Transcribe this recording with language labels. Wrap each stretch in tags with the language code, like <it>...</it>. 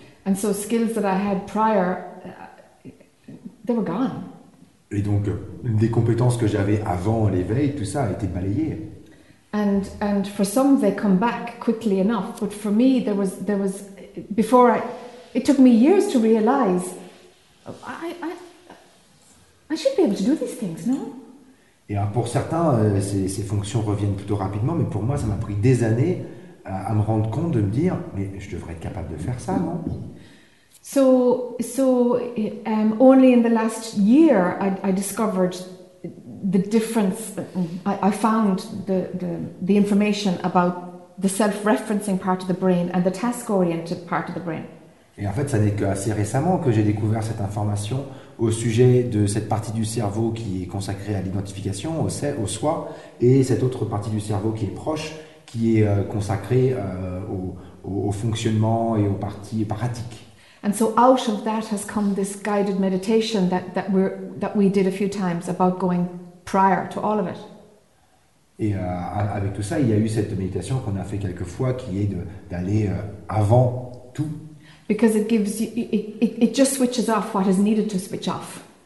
<en>And so skills that I had prior, they were gone.</en> <fr>Et donc, des compétences que j'avais avant l'éveil, tout ça a été balayé.</fr> <en>And for some, they come back quickly enough. But for me, there was before I, it took me years to realize, I should be able to do these things, no?</en> <fr>Et alors pour certains, ces fonctions reviennent plutôt rapidement, mais pour moi, ça m'a pris des années à me rendre compte, de me dire, mais je devrais être capable de faire ça, non?</fr> <en>So, only in the last year, I discovered the difference. I found the information about the self-referencing part of the brain and the task-oriented part of the brain.</en> <fr>Et en fait, ça n'est qu'assez récemment que j'ai découvert cette information au sujet de cette partie du cerveau qui est consacrée à l'identification, au soi, et cette autre partie du cerveau qui est proche, qui est consacrée au fonctionnement et aux parties pratiques.</fr> <en>And so out of that has come this guided meditation that we did a few times about going prior to all of it.</en> <fr>Et avec tout ça, il y a eu cette méditation qu'on a fait quelques fois qui est d'aller avant tout.</fr> <en>Because it gives you, it just switches off what is needed to switch off.</en>